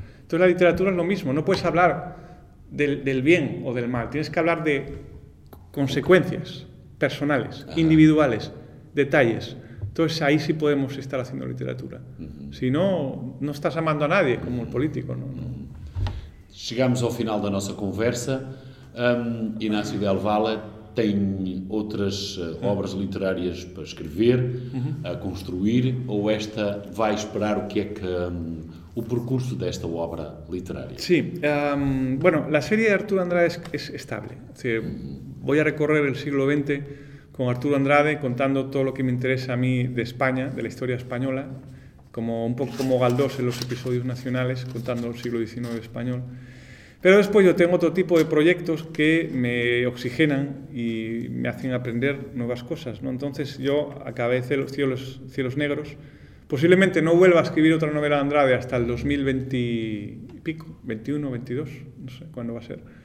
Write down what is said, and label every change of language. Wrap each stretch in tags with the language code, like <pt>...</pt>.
<es>Entonces la literatura es lo mismo, no puedes hablar del bien o del mal, tienes que hablar de consecuencias personales, individuales, detalles. Entonces ahí sí podemos estar haciendo literatura. Si no, no estás amando a nadie como el político, ¿no? Llegamos al final de nuestra conversa.</es> <pt>Ignacio del Valle tem outras obras literárias para escrever, a construir, ou esta vai esperar o que é que o percurso desta obra literária? Sim, bueno, a série de Arturo Andrade é estable. Es decir, vou a recorrer o século XX com Arturo Andrade, contando todo o que me interessa a mim de Espanha, da história espanhola, como um pouco como Galdós em os episódios nacionais, contando o século XIX espanhol.</pt> <es>Pero después yo tengo otro tipo de proyectos que me oxigenan y me hacen aprender nuevas cosas, ¿no? Entonces yo acabé Cielos Negros. Posiblemente no vuelva a escribir otra novela de Andrade hasta el 2020 y pico, 21, 22, no sé cuándo va a ser.</es>